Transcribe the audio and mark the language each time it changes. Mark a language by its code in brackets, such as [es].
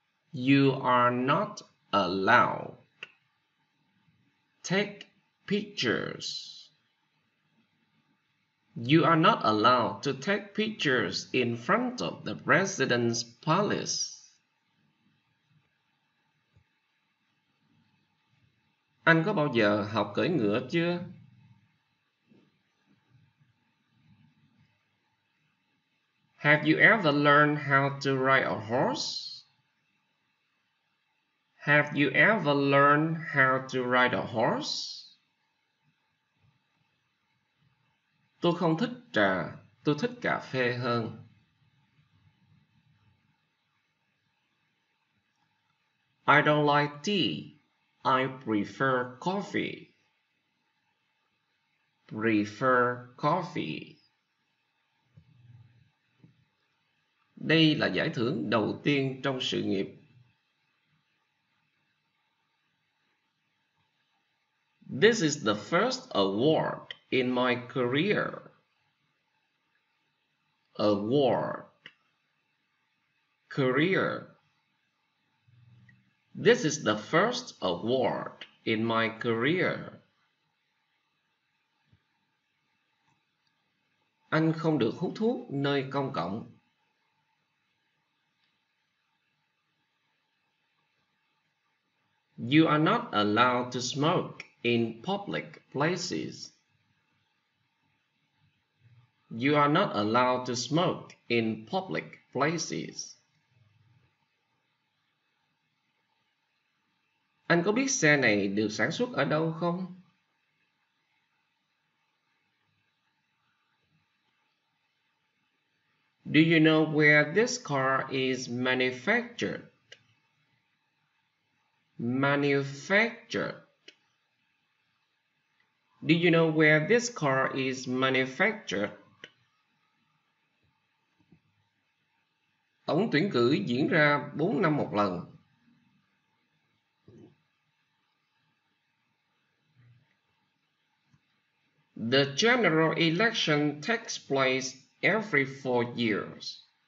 [en] You are not allowed to take pictures. You are not allowed to take pictures in front of the president's palace. [vi] Anh có bao giờ học cưỡi ngựa chưa? [en] Have you ever learned how to ride a horse? Have you ever learned how to ride a horse? [vi] Tôi không thích trà, tôi thích cà phê hơn. [en] I don't like tea. I prefer coffee. Prefer coffee. [vi] Đây là giải thưởng đầu tiên trong sự nghiệp. [en] This is the first award in my career. Award. Career. This is the first award in my career. [vi] Anh không được hút thuốc nơi công cộng. [en] You are not allowed to smoke in public places. You are not allowed to smoke in public places. [vi] Anh có biết xe này được sản xuất ở đâu không? [en] Do you know where this car is manufactured? Manufactured. Do you know where this car is manufactured? [vi] Tổng tuyển cử diễn ra 4 năm một lần. [en] The general election takes place every 4 years.